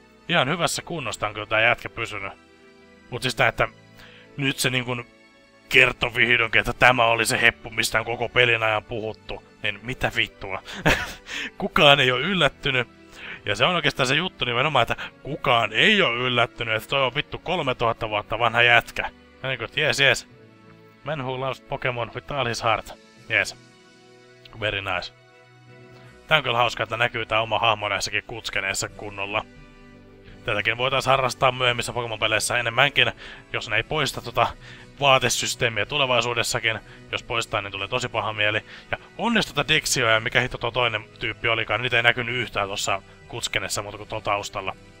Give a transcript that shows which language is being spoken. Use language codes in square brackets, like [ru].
[fi] Ihan hyvässä kunnossa, onko tää jätkä pysynyt. Mut siis tää, että nyt se niinku kertoi vihdoinkin, että tämä oli se heppu, mistä on koko pelin ajan puhuttu. Niin mitä vittua. Kukaan ei oo yllättynyt. Ja se on oikeastaan se juttu nimenomaan, että kukaan ei oo yllättynyt, että toi on vittu 3000 vuotta vanha jätkä. Ja niinku, jees jees. [en] Man who loves Pokemon with all his heart. Jees. Very nice. [fi] Tää on kyllä hauskaa, että näkyy tää oma hahmo näissäkin kutskeneissa kunnolla. Tätäkin voitais harrastaa myöhemmissä Pokemon-peleissä enemmänkin, jos ne ei poista tota vaatesysteemiä tulevaisuudessakin. Jos poistaa, niin tulee tosi paha mieli. Ja onnes tota Dexioa ja mikä hitto tuo toinen tyyppi olikaan, niitä ei näkynyt yhtään tuossa kutskeneessa muuta kuin tuolla taustalla.